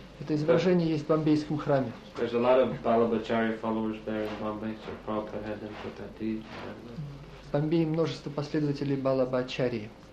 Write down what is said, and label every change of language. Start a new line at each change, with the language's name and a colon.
Russian: Это изображение есть в Бомбейском храме.
English: There's a lot of Balabhacharya followers there in Bombay, so Prabhupada had them put that deed.
Russian: В Бомбее множество последователей Балабхачарьи.